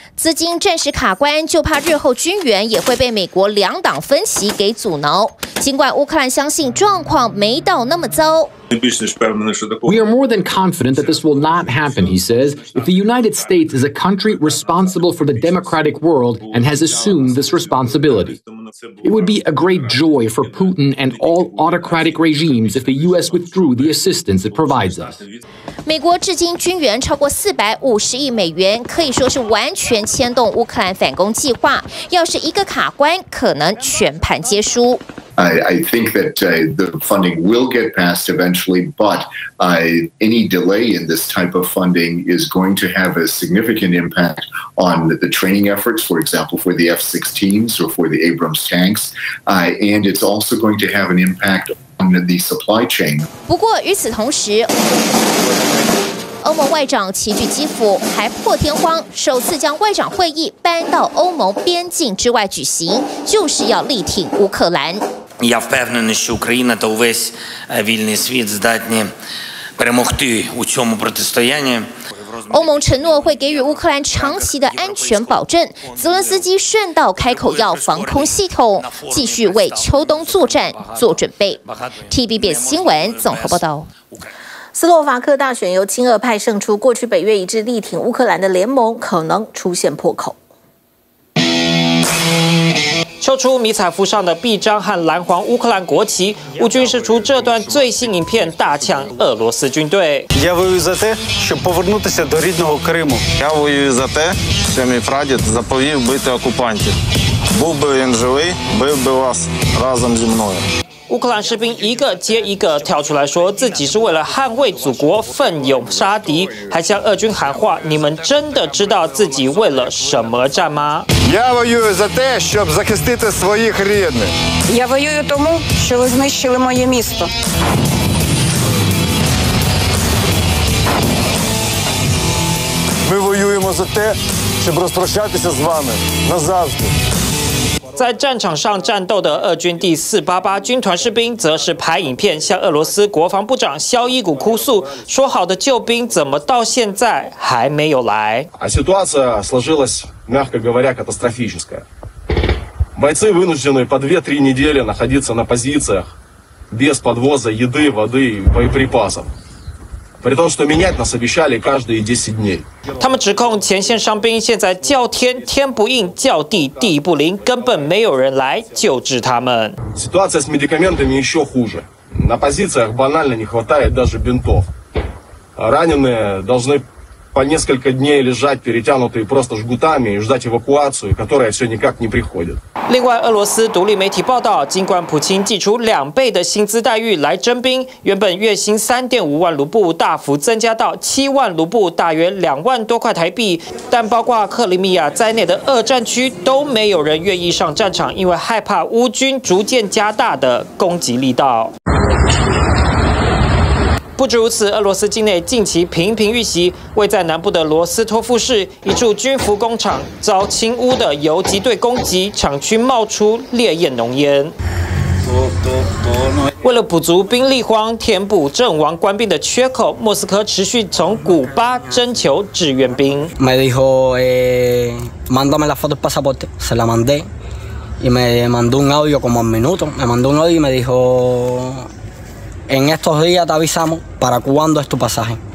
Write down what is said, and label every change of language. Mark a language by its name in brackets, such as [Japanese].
[Chinese] 资金暂时卡关，就怕日后军援也会被美国两党分歧给阻挠。尽管乌克兰相信状况没到那么糟。 [English] We are more than confident that this will not happen, he says. If the United States is a country responsible for the democratic world and has assumed this responsibility, it would be a great joy for Putin and all autocratic regimes if the U.S. withdrew the assistance it provides us. [Chinese] 美国至今军援超过450亿美元，可以说是完全牵动乌克兰反攻计划。要是一个卡关，可能全盘皆输。 [English] I think that the funding will get passed eventually, but any delay in this type of funding is going to have a significant impact on the training efforts, for example, for the F-16s or for the Abrams tanks, and it's also going to have an impact on the supply chain. [Chinese] 不过与此同时，欧盟外长齐聚基辅还破天荒首次将外长会议搬到欧盟边境之外举行，就是要力挺乌克兰。 [Ukrainian] Я впевнений, що Україна та увесь вільний світ здатні перемогти у цьому протистоянні. [Chinese] 欧盟承诺会给予乌克兰长期的安全保证，泽伦斯基顺道开口要防空系统，继续为秋冬作战做准备。 TVBS 新闻综合报道。斯洛伐克大选由亲俄派胜出，过去本月一致力挺乌克兰的联盟可能出现破口。秀出迷彩服上的臂章和蓝黄乌克兰国旗，乌军释出这段最新影片，大呛俄罗斯军队。 [Ukrainian] Я воюю за те, щоб повернутися до рідного Криму. Я воюю за те, що мій прадід заповів бити окупантів. Був би він живий, бив би вас разом зі мною. [Chinese] 乌克兰士兵一个接一个跳出来说自己是为了捍卫祖国奋勇杀敌，还向俄军喊话，你们真的知道自己为了什么战吗？ [Ukrainian] Я воюю за те, щоб захистити своїх рідних. Я воюю тому, що ви знищили моє місто. Ми воюємо за те, щоб розпрощатися з вами назавжди. [Chinese] 在战场上战斗的俄军第488军团士兵则是拍影片向俄罗斯国防部长肖伊古哭诉，说好的救兵怎么到现在还没有来。 [Russian] А ситуация сложилась, мягко говоря, катастрофическая. Бойцы вынуждены по 2-3 недели находиться на позициях без подвоза еды, воды и боеприпасов. При том, что менять нас обещали каждые 10 дней. [Chinese] 他们指控前线伤兵现在叫天天不应，叫地地不灵，根本没有人来救治他们。 [Russian] Ситуация с медикаментами еще хуже. На позициях банально не хватает даже бинтов. Раненые должны по несколько дней лежать, перетянутые просто жгутами, и ждать эвакуацию, которая все никак не приходит. [Chinese] 另外，俄罗斯独立媒体报道，尽管普京祭出两倍的薪资待遇来征兵，原本月薪3.5万卢布大幅增加到7万卢布，大约2万多块台币，但包括克里米亚在内的俄战区都没有人愿意上战场，因为害怕乌军逐渐加大的攻击力道。不止如此，俄罗斯境内近期频频遇袭，位在南部的罗斯托夫市一处军服工厂遭亲乌的游击队攻击，厂区冒出烈焰浓烟。为了补足兵力荒，填补阵亡官兵的缺口，莫斯科持续从古巴征求志愿兵。 [Spanish] Me dijo, mándame la foto del pasaporte, se la mandé y me mandó un audio como un minuto, me mandó un audio y me dijo. En estos días te avisamos para cuándo es tu pasaje.